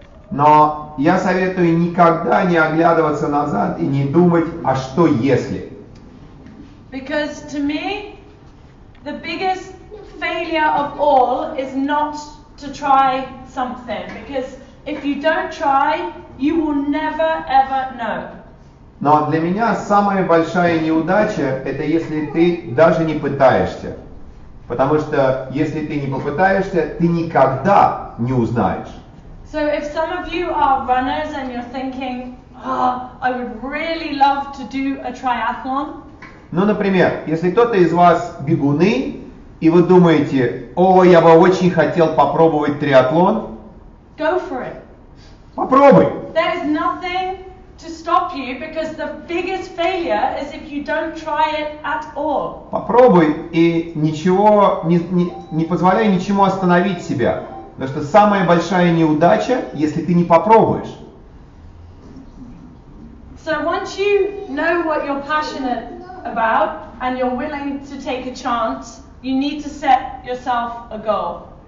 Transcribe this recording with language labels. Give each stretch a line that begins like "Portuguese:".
Russian: Но я советую никогда не оглядываться назад и не думать, а что если.
English: Because to me, the biggest failure of all is not to try something, because if you don't try, you will never ever know.
Russian: Но для меня самая большая неудача – это если ты даже не пытаешься, потому что если ты не попытаешься, ты никогда не узнаешь.
English: So if some of you are runners and you're thinking, oh, I would really love to do a triathlon.
Russian: Ну, например, если кто-то из вас бегуны. И вы думаете, о, я бы очень хотел попробовать триатлон.
English: Go for it.
Russian: Попробуй.
English: There is nothing to stop you, because the biggest failure is if you don't try it at all.
Russian: Попробуй и ничего, не позволяй ничему остановить себя. Потому что самая большая неудача, если ты не попробуешь.
English: So once you know what you're passionate about and you're willing to take a chance, you need to set yourself a goal.